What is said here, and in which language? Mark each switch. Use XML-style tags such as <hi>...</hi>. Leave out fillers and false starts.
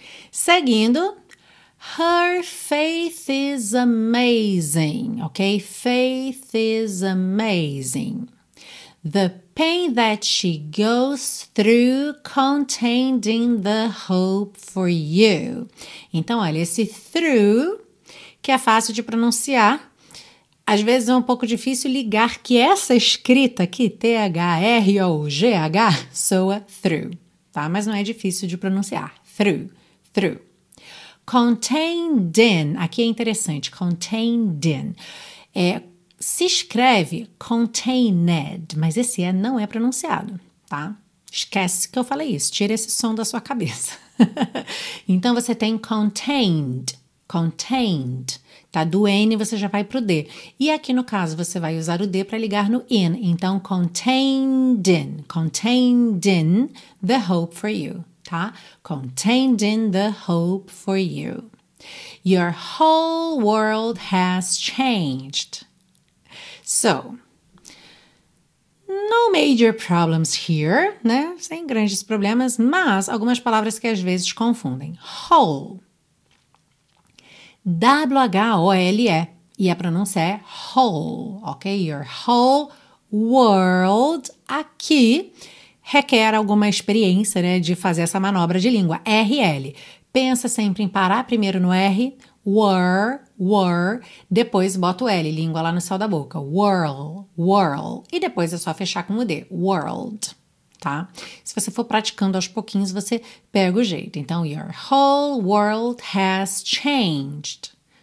<pt>Seguindo,</pt> <en>her faith is amazing, ok? Faith is amazing. The pain that she goes through contained in the hope for you.</en> <pt>Então, olha, esse through, que é fácil de pronunciar, às vezes é um pouco difícil ligar que essa escrita aqui, T-H-R-O-G-H, soa through, tá? Mas não é difícil de pronunciar, through.</pt> <en>Through. Contained in.</en> <pt>Aqui é interessante.</pt> <en>Contained in.</en> <pt>É, se escreve contained, mas esse E não é pronunciado, tá? Esquece que eu falei isso. Tira esse som da sua cabeça. Então, você tem contained. Contained. Tá? Do N você já vai pro D. E aqui, no caso, você vai usar o D para ligar no in. Então,</pt> <en>contained in. Contained in the hope for you. Tá? Contained in the hope for you. Your whole world has changed. So, no major problems here, né?</en> <pt>Sem grandes problemas, mas algumas palavras que às vezes confundem. Whole. W-H-O-L-E. E a pronúncia é whole, ok?</pt> <en>Your whole world</en> <pt>aqui requer alguma experiência, né, de fazer essa manobra de língua, RL. Pensa sempre em parar primeiro no R, were, depois bota o L, língua lá no céu da boca, whirl, e depois é só fechar com o D, world, tá? Se você for praticando aos pouquinhos, você pega o jeito. Então,</pt> <en>your whole world has changed.</en>